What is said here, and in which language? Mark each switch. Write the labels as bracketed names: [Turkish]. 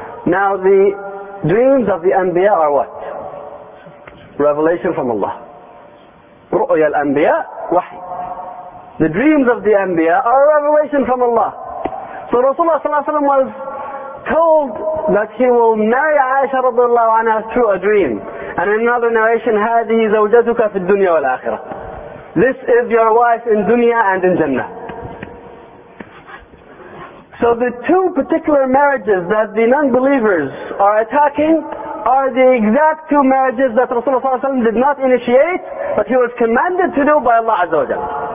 [English] Now the dreams of the Anbiya are what? Revelation from Allah. Ru'ya al-Anbiya, wahi. The dreams of the Anbiya are a revelation from Allah. So Rasulullah ﷺ was told that he will marry Aisha radiallahu anha through a dream. And in another narration, [Arabic] هذه زوجتك في الدنيا والآخرة. [English] This is your wife in dunya and in jannah. So the two particular marriages that the non-believers are attacking are the exact two marriages that Rasulullah ﷺ did not initiate, but he was commanded to do by Allah Azza wa Jalla.